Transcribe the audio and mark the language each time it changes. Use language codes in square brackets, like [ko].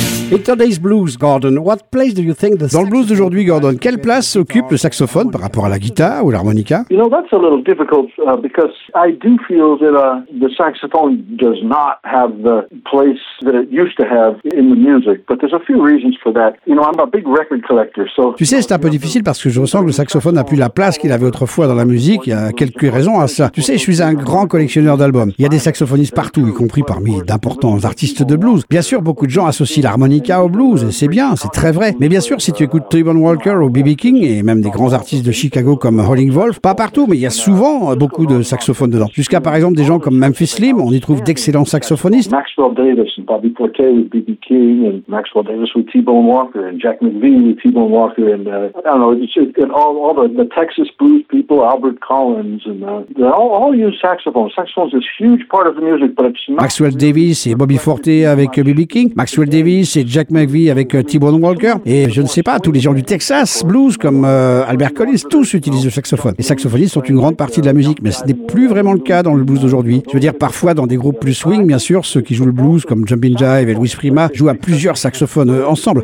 [en] In today's blues, Gordon, what place do you think the [fr] dans le blues d'aujourd'hui, Gordon, quelle place occupe le saxophone par rapport à la guitare ou l'harmonica? [en] You know, that's a little difficult because I do feel that the saxophone does not have the place that it used to have in the music. But there's a few reasons for that. You know, I'm a big record collector, so. [fr] Tu sais, c'est un peu difficile parce que je ressens que le saxophone n'a plus la place qu'il avait autrefois dans la musique. Il y a quelques raisons à ça. Tu sais, je suis un grand collectionneur d'albums. Il y a des saxophonistes partout, y compris parmi d'importants artistes de blues. Bien sûr, beaucoup de gens associent l'harmonica au blues, et c'est bien, c'est très vrai. Mais bien sûr, si tu écoutes Tubman Walker ou B.B. King et même des grands artistes de Chicago comme Howling Wolf, pas partout, mais il y a souvent beaucoup de saxophones dedans. Jusqu'à par exemple des gens comme Memphis Slim, on y trouve d'excellents saxophonistes. Maxwell Davis et Bobby Plaquet avec B.B. [en] King, [fr] et Maxwell Davis avec T-Bone Walker, et [en] Jack McVie avec T-Bone Walker, et all the Texas blues people, Albert Collins, they all use saxophones. Saxophones is a huge part of the music, but it's not. [fr] Maxwell Davis et Bobby Forte avec B.B. King, Maxwell Davis et Jack McVie avec T-Bone Walker, et je ne sais pas, tous les gens du Texas blues comme Albert Collins, tous utilisent le saxophone. Les saxophonistes sont une grande partie de la musique, mais ce n'est plus vraiment le cas dans le blues d'aujourd'hui. Je veux dire, parfois dans des groupes plus swing, bien sûr, ceux qui jouent le blues comme Jumpin' Jive et Louis Prima jouent à plusieurs saxophones ensemble.